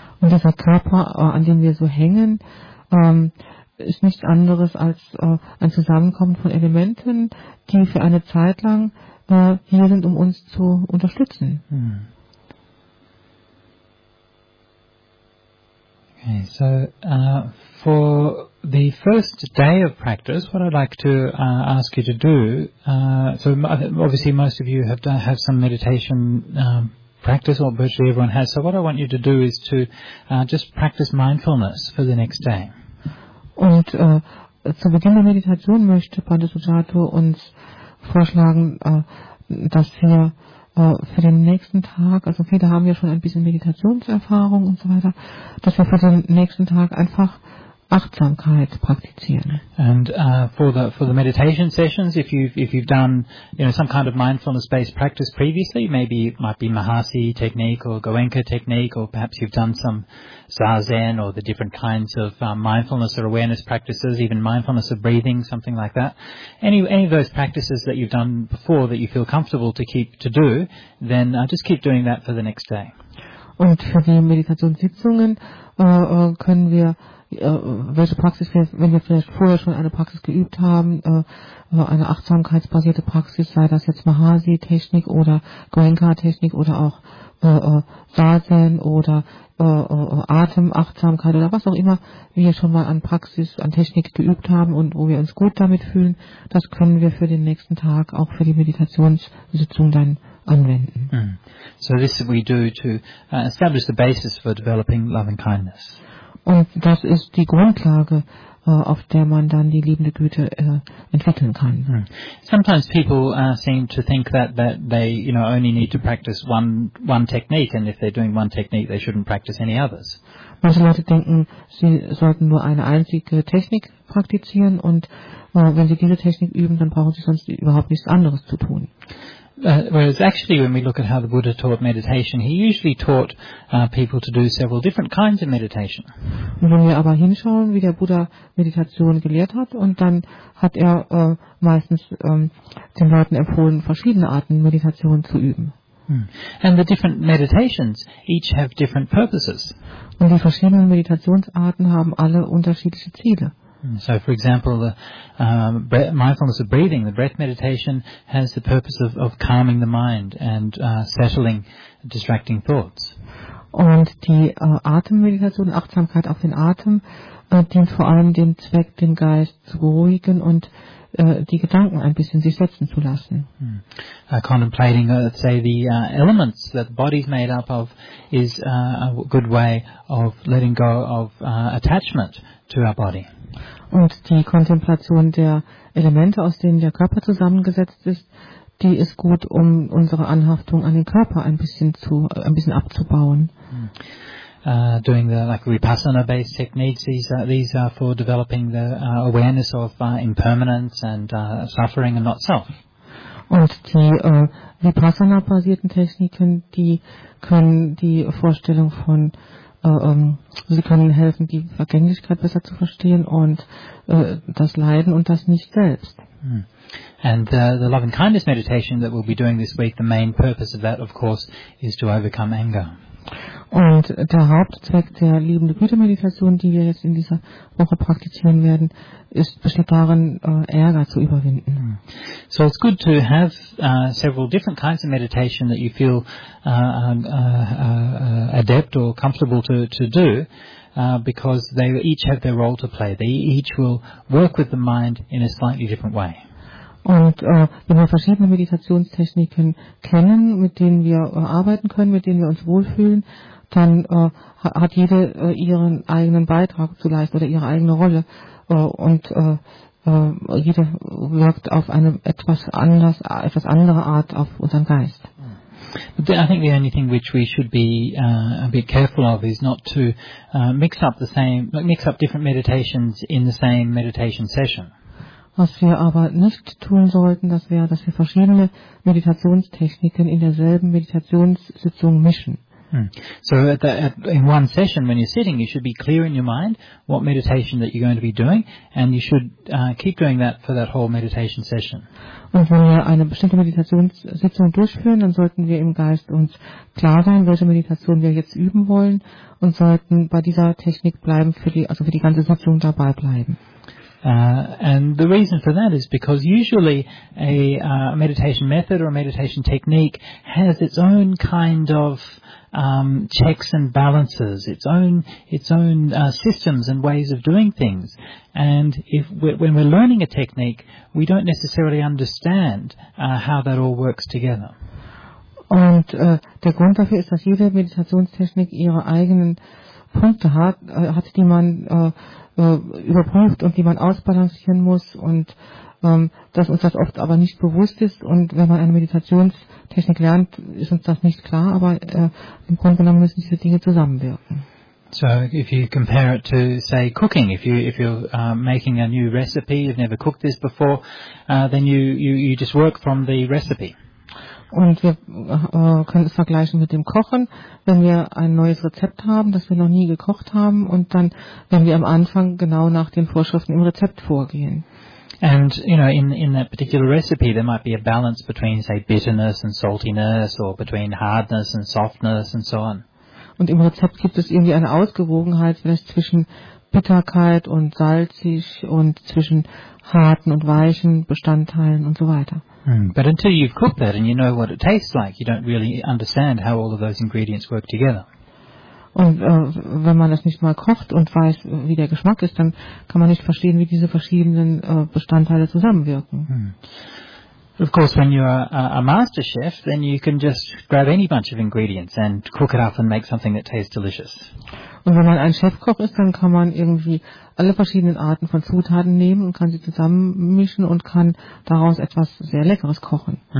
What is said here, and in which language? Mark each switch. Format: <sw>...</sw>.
<de>Und dieser Körper, an dem wir so hängen, ist nichts anderes als ein Zusammenkommen von Elementen, die für eine Zeit lang hier sind, um uns zu unterstützen.</de> <en>Okay, so for the first day of practice, what I'd like to ask you to do, so obviously most of you have some meditation practice, or virtually everyone has, so what I want you to do is to just practice mindfulness for the next day.</en> <de>Und zu Beginn der Meditation möchte Padasujato uns vorschlagen, dass wir für den nächsten Tag, also viele haben ja schon ein bisschen Meditationserfahrung und so weiter, dass wir für den nächsten Tag einfach Achtsamkeit praktizieren.</de> <en>And for the meditation sessions, if you've done, you know, some kind of mindfulness-based practice previously, maybe it might be Mahasi technique or Goenka technique, or perhaps you've done some Zazen or the different kinds of mindfulness or awareness practices, even mindfulness of breathing, something like that. Any of those practices that you've done before that you feel comfortable to keep to do, then just keep doing that for the next day.</en> <de>Und für die Meditationssitzungen können wir welche Praxis wir, wenn wir vielleicht vorher schon eine Praxis geübt haben, eine achtsamkeitsbasierte Praxis, sei das jetzt Mahasi-Technik oder Goenka-Technik oder auch Zazen oder Atemachtsamkeit oder was auch immer wir schon mal an Praxis, an Technik geübt haben und wo wir uns gut damit fühlen, das können wir für den nächsten Tag auch für die Meditationssitzung dann anwenden. Mm.</de> <en>So this we do to establish the basis for developing loving kindness.</en> <de>Und das ist die Grundlage, auf der man dann die liebende Güte entwickeln kann. Mm.</de> <en>Sometimes people seem to think that they, you know, only need to practice one technique, and if they're doing one technique, they shouldn't practice any others.</en> <de>Manche Leute denken, sie sollten nur eine einzige Technik praktizieren, und wenn sie diese Technik üben, dann brauchen sie sonst überhaupt nichts anderes zu tun.</de> <en>Whereas actually when we look at how the Buddha taught meditation, he usually taught people to do several different kinds of meditation.</en> <de>Wenn wir aber hinschauen, wie der Buddha Meditation gelehrt hat, und dann hat er meistens den Leuten empfohlen, verschiedene Arten Meditation zu üben. Hmm.</de> <en>And the different meditations each have different purposes.</en> <de>Und die verschiedenen Meditationsarten haben alle unterschiedliche Ziele.</de> <en>So, for example, the mindfulness of breathing, the breath meditation, has the purpose of calming the mind and settling distracting thoughts.</en> <de>Und die Atemmeditation, Achtsamkeit auf den Atem, dient vor allem dem Zweck, den Geist zu beruhigen und die Gedanken ein bisschen sich setzen zu lassen. Hmm.</de> <en>Contemplating, let's say, the elements that the body is made up of is a good way of letting go of attachment to our body.</en> <de>Und die Kontemplation der Elemente, aus denen der Körper zusammengesetzt ist, die ist gut, um unsere Anhaftung an den Körper ein bisschen abzubauen.</de> <en>Doing the like Vipassana-based techniques, these are for developing the awareness of impermanence and suffering and not self.</en> <de>Und die Vipassana-basierten Techniken, die können die Vorstellung von sie können helfen, die Vergänglichkeit besser zu verstehen und das Leiden und das Nicht-Selbst. Mm.</de> <en>And the loving-kindness meditation that we'll be doing this week, the main purpose of that, of course, is to overcome anger.</en> <de>Und der Hauptzweck der liebende Güte-Meditation, die wir jetzt in dieser Woche praktizieren werden, besteht darin, Ärger zu überwinden. Mm.</de> <en>So it's good to have several different kinds of meditation that you feel adept or comfortable to do, because they each have their role to play. They each will work with the mind in a slightly different way.</en> <de>Und wenn wir verschiedene Meditationstechniken kennen, mit denen wir arbeiten können, mit denen wir uns wohlfühlen, dann hat jede ihren eigenen Beitrag zu leisten oder ihre eigene Rolle. Und jede wirkt auf eine etwas andere Art auf unseren Geist.</de> <en>But I think the only thing which we should be a bit careful of is not to mix up different meditations in the same meditation session.</en> <de>Was wir aber nicht tun sollten, das wäre, dass wir verschiedene Meditationstechniken in derselben Meditationssitzung mischen. Hmm.</de> <en>So in one session, when you're sitting, you should be clear in your mind what meditation that you're going to be doing, and you should keep doing that for that whole meditation session.</en> <de>Und wenn wir eine bestimmte Meditationssitzung durchführen, dann sollten wir im Geist uns klar sein, welche Meditation wir jetzt üben wollen, und sollten bei dieser Technik bleiben, für die ganze Sitzung dabei bleiben.</de> <en>And the reason for that is because usually a meditation method or a meditation technique has its own kind of checks and balances, its own systems and ways of doing things. And when we're learning a technique, we don't necessarily understand how that all works together.</en> <de>Und der Grund dafür ist, dass jede Meditationstechnik ihre eigenen Punkte hat, die man überprüft und die man ausbalancieren muss, und dass uns das oft aber nicht bewusst ist, und wenn man eine Meditationstechnik lernt, ist uns das nicht klar, aber im Grunde genommen müssen diese Dinge zusammenwirken.</de> <en>So if you compare it to, say, cooking, if you're making a new recipe, you've never cooked this before, then you just work from the recipe.</en> <de>Und wir können es vergleichen mit dem Kochen. Wenn wir ein neues Rezept haben, das wir noch nie gekocht haben, und dann werden wir am Anfang genau nach den Vorschriften im Rezept vorgehen.</de> <en>And, you know, in that particular recipe, there might be a balance between, say, bitterness and saltiness, or between hardness and softness, and so on.</en> <de>Und im Rezept gibt es irgendwie eine Ausgewogenheit, vielleicht zwischen Bitterkeit und salzig und zwischen harten und weichen Bestandteilen und so weiter.</de> <en>But until you've cooked that and you know what it tastes like, you don't really understand how all of those ingredients work together.</en> <de>Und wenn man das nicht mal kocht und weiß, wie der Geschmack ist, dann kann man nicht verstehen, wie diese verschiedenen Bestandteile zusammenwirken.</de> <en>Of course, when you're a master chef, then you can just grab any bunch of ingredients and cook it up and make something that tastes delicious.</en> <de>Und wenn man ein Chefkoch ist, dann kann man irgendwie alle verschiedenen Arten von Zutaten nehmen und kann sie zusammenmischen und kann daraus etwas sehr Leckeres kochen.</de>